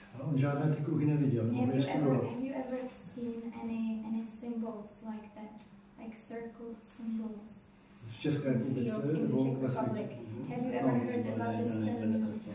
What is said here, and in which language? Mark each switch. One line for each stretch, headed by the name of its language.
Czech: On žádné ty kruhy neviděl, nebo je studoval.
English: Have you ever seen any symbols like that, like circle symbols?
Czech: V České republice nebo ve světě?
English: Have you ever heard about this phenomenon?